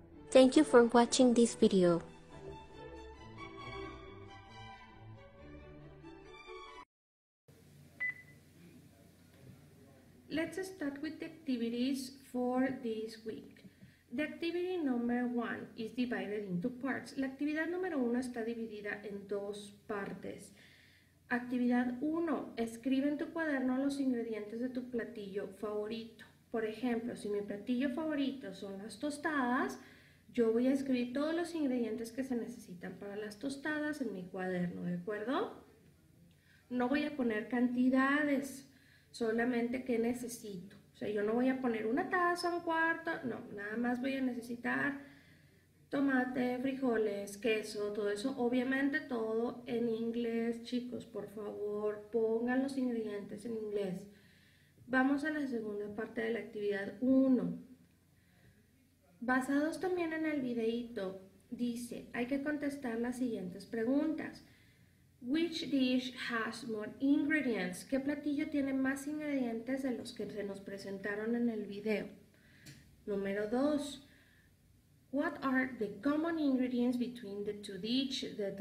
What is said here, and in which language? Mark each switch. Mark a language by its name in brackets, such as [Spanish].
[English] Thank you for watching this video. Let's start with the activities for this week. The activity number one is divided into parts. [Spanish] La actividad número uno está dividida en dos partes. Actividad 1, escribe en tu cuaderno los ingredientes de tu platillo favorito. Por ejemplo, si mi platillo favorito son las tostadas, yo voy a escribir todos los ingredientes que se necesitan para las tostadas en mi cuaderno, ¿de acuerdo? No voy a poner cantidades, solamente qué necesito. O sea, yo no voy a poner una taza, un cuarto, no, nada más voy a necesitar tomate, frijoles, queso, todo eso. Obviamente todo en inglés, chicos, por favor, pongan los ingredientes en inglés. Vamos a la segunda parte de la actividad 1. Basados también en el videíto, dice, hay que contestar las siguientes preguntas. [English] Which dish has more ingredients? [Spanish] ¿Qué platillo tiene más ingredientes de los que se nos presentaron en el video? Número 2. [English] What are the common ingredients between the two dishes?